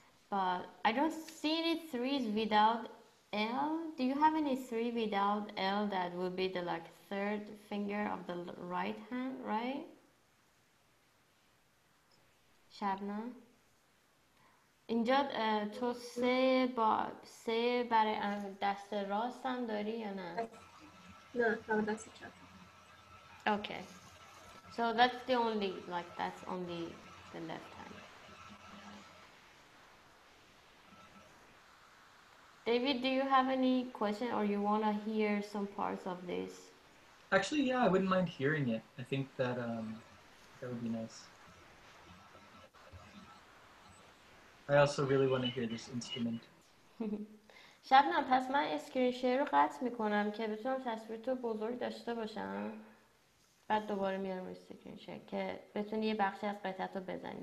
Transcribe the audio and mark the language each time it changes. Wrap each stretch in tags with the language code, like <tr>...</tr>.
<en>But I don't see any threes without L. Do you have any three without L that would be the like third finger of the right hand, right? Shabna?</en> <fa>اینجا تو سه با سه برای دست راست هم داری یا نه؟ نه،</fa> <en>Okay. So that's the only like that's only the left hand. David, do you have any question or you want to hear some parts of this? Actually, yeah, I wouldn't mind hearing it. I think that that would be nice. I also really want to hear this instrument.</en> <fa>شبنم پس من اسکرین شیر رو قطع میکنم که بتونم تصویر تو بزرگ داشته باشم. بعد دوباره میارم روی اسکرین شیر که بتونی یه بخشی از قطعت رو بزنی.</fa>